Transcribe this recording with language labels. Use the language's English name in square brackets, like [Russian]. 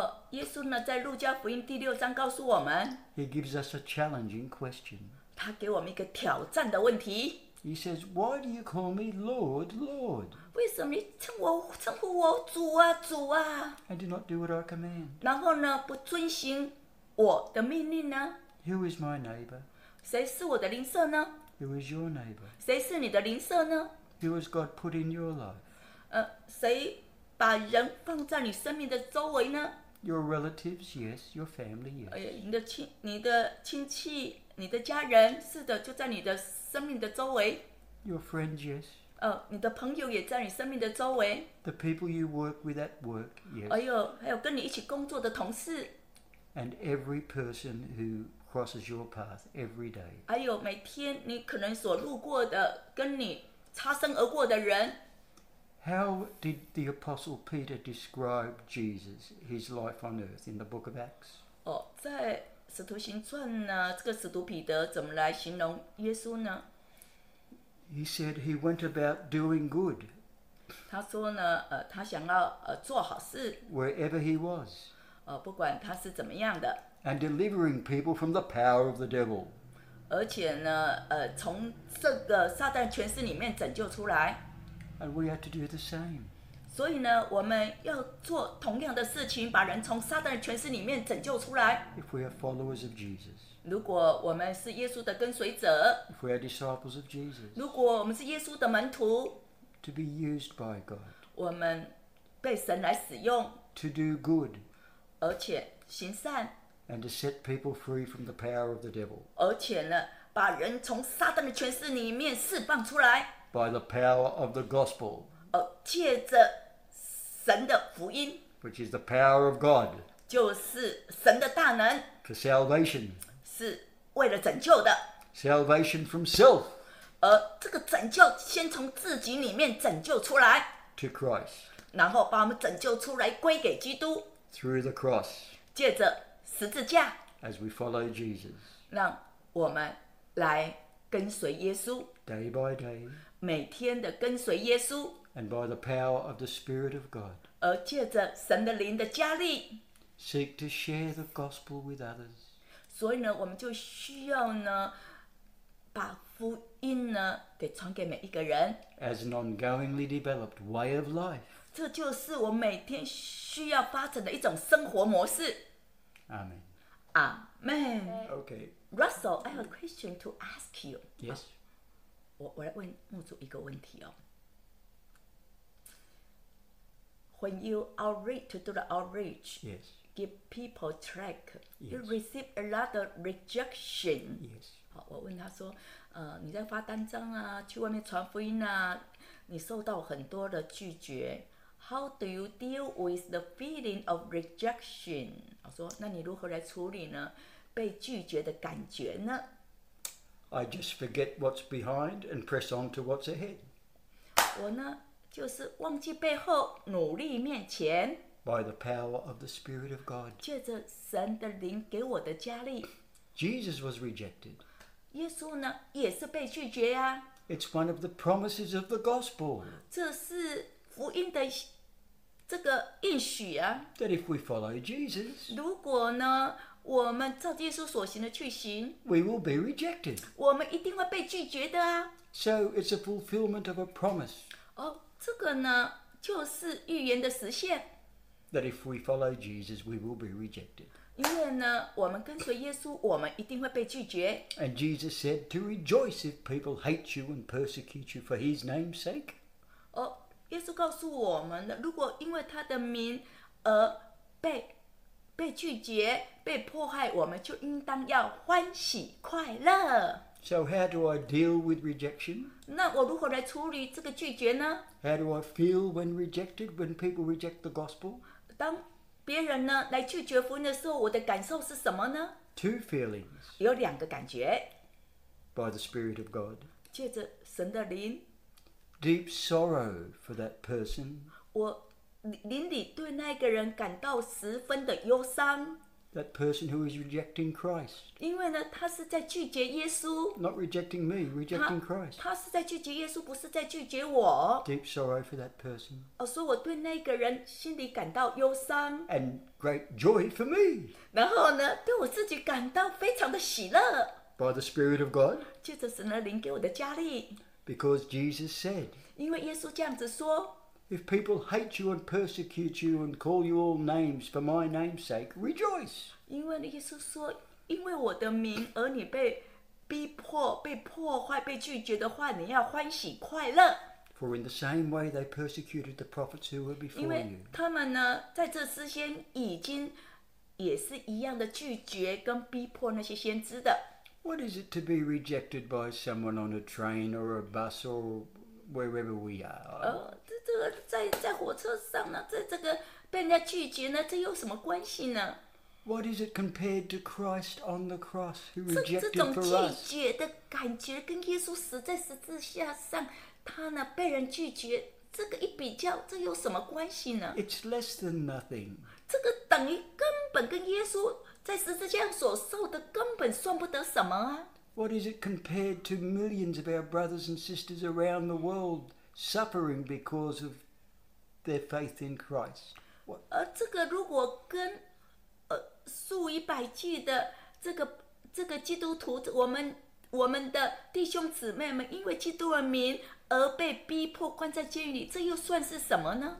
[Chinese] 耶稣呢在路加福音第六章告诉我们 [English] He gives us a challenging question. [Chinese] 他给我们一个挑战的问题 [English] He says, why do you call me Lord, Lord? [Chinese] 为什么你称呼我主啊主啊 [English] And do not do what I command. [Chinese] 然后呢不遵循我的命令呢 [English] Who is my neighbor? [Chinese] 谁是我的邻舍呢 [English] ？Who is your neighbor? [Chinese] 谁是你的邻舍呢 [English] ？Who has God put in your life? [Chinese] 谁把人放在你生命的周围呢 [English] ？Your relatives, yes. Your family, yes. [Chinese] 你的亲戚，你的家人，是的，就在你的生命的周围。 [English] Your friends, yes. [Chinese] 你的朋友也在你生命的周围。 [English] The people you work with at work, yes. [Chinese] 还有跟你一起工作的同事。 [English] And every person who crosses your path every day. [Chinese] 还有每天你可能所路过的，跟你擦身而过的人。 [English] How did the Apostle Peter describe Jesus, his life on earth in the Book of Acts? [Chinese] 在《使徒行传》呢，这个使徒彼得怎么来形容耶稣呢 [English] He said he went about doing good. [Chinese] 他说呢，他想要做好事。 [English] Wherever he was. [Chinese] 不管他是怎么样的。 [English] And delivering people from the power of the devil. [Chinese] 而且呢，从这个撒旦权势里面拯救出来。 [English] And we have to do the same. [Chinese] 所以呢，我们要做同样的事情，把人从撒旦的权势里面拯救出来。 [English] If we are followers of Jesus, [Chinese] 如果我们是耶稣的跟随者， [English] If we are disciples of Jesus, [Chinese] 如果我们是耶稣的门徒， [English] To be used by God, [Chinese] 我们被神来使用， [English] To do good, [Chinese] 而且行善， [English] And to set people free from the power of the devil, [Chinese] 而且呢，把人从撒旦的权势里面释放出来， [English] By the power of the gospel. [Chinese] 借着神的福音 [English] which is the power of God, [Chinese] 就是神的大能 [English] for salvation, [Chinese] 是为了拯救的 [English] salvation from self, [Chinese] 而这个拯救先从自己里面拯救出来 [English] to Christ, [Chinese] 然后把我们拯救出来归给基督 [English] through the cross, [Chinese] 借着十字架 [English] as we follow Jesus, [Chinese] 让我们来跟随耶稣 [English] day by day, [Chinese] 每天的跟随耶稣 [English] And by the power of the Spirit of God, [Chinese] 而借着神的灵的加力 [English] seek to share the gospel with others. [Chinese] 所以呢，我们就需要呢，把福音呢给传给每一个人 [English] as an ongoingly developed way of life. [Chinese] 这就是我每天需要发展的一种生活模式。 [English] Amen. Amen. Okay. Russell, I have a question to ask you. Yes. [Chinese] 我来问牧主一个问题哦。 [English] When you outreach to do the outreach, yes, give people track, yes, you receive a lot of rejection. Yes. [Chinese] 好，我问他说，你在发单张啊，去外面传福音啊，你受到很多的拒绝。 [English] How do you deal with the feeling of rejection? [Chinese] 我说，那你如何来处理呢？被拒绝的感觉呢 [English] ？I just forget what's behind and press on to what's ahead. [Chinese] 我呢？就是忘记背后，努力面前。 [English] By the power of the Spirit of God. [Chinese] 借着神的灵给我的加力。 [English] Jesus was rejected. [Chinese] 耶稣呢，也是被拒绝啊。 [English] It's one of the promises of the gospel. [Chinese] 这是福音的这个应许啊。 [English] That if we follow Jesus. [Chinese] 如果呢，我们照耶稣所行的去行。 [English] We will be rejected. [Chinese] 我们一定会被拒绝的啊。 [English] So it's a fulfillment of a promise. 哦。 [Chinese] 这个呢，就是预言的实现。 [English] That if we follow Jesus, we will be rejected. [Chinese] 因为呢，我们跟随耶稣，我们一定会被拒绝。 [English] And Jesus said to rejoice if people hate you and persecute you for His name's sake. [Chinese] 哦，耶稣告诉我们的，如果因为他的名而被拒绝、被迫害，我们就应当要欢喜快乐。 [English] So how do I deal with rejection? [Chinese] 那我如何来处理这个拒绝呢？ [English] How do I feel when rejected, when people reject the gospel? [Chinese] 当别人呢，来拒绝福音的时候，我的感受是什么呢？ [English] Two feelings. [Chinese] 有两个感觉。 [English] By the Spirit of God. [Chinese] 借着神的灵。 [English] Deep sorrow for that person. [Chinese] 我灵里对那个人感到十分的忧伤。 [English] That person who is rejecting Christ. [Chinese] 因为呢，他是在拒绝耶稣。 [English] Not rejecting me, rejecting Christ. [Chinese] 他是在拒绝耶稣，不是在拒绝我。 [English] Deep sorrow for that person. [Chinese] 哦，所以我对那个人心里感到忧伤。 [English] And great joy for me. [Chinese] 然后呢，对我自己感到非常的喜乐。 [English] By the Spirit of God. [Chinese] 借着神的灵给我的加力。 [English] Because Jesus said. [Chinese] 因为耶稣这样子说。 [English] If people hate you and persecute you and call you all names for my name's sake, rejoice. [Chinese] 因为耶稣说，因为我的名而你被逼迫、被破坏、被拒绝的话，你要欢喜快乐。 [English] For in the same way they persecuted the prophets who were before you. [Chinese] 因为他们呢，在这之前已经也是一样的拒绝跟逼迫那些先知的。 [English] What is it to be rejected by someone on a train or a bus or wherever we are? [Chinese] 在火车上呢，在这个被人家拒绝呢，这有什么关系呢 [English] ？What is it compared to Christ on the cross who rejected for us？ [Chinese] 这种拒绝的感觉跟耶稣死在十字架上，他呢被人拒绝，这个一比较，这有什么关系呢 [English] ？It's less than nothing。 [Chinese] 这个等于根本跟耶稣在十字架上所受的根本算不得什么啊 [English] What is it compared to millions of our brothers and sisters around the world suffering because of their faith in Christ? What? [Chinese] 这个如果跟数以百计的这个基督徒，我们的弟兄姊妹们，因为基督而民而被逼迫关在监狱里，这又算是什么呢？